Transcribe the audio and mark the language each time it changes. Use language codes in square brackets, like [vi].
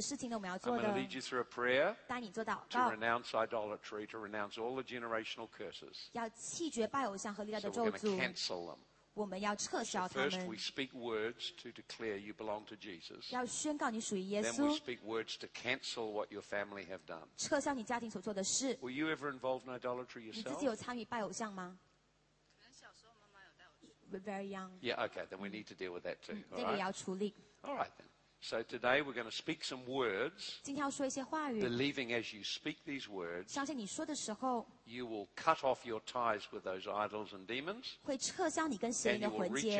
[en] to lead you through a prayer to renounce idolatry, to renounce all the generational curses. So we're going to cancel them. So first, we speak words to declare you belong to Jesus. [zh] 要宣告你属于耶稣。 [en] Then we speak words to cancel what your family have done. [zh] 撤销你家庭所做的事。 [en] Were you ever involved in idolatry yourself? [zh] 你自己有参与拜偶像吗？可能小时候妈妈有带我去。 [en] Very young. Yeah, okay, then we need to deal with that too. [zh] 这个也要处理。 [en] All right then. So today we're going to speak some words. [zh] 今天要说一些话语。 [en] Believing as you speak these words, [zh] 相信你说的时候, [en] you will cut off your ties with those idols and demons. [zh] 会撤销你跟邪灵的魂结,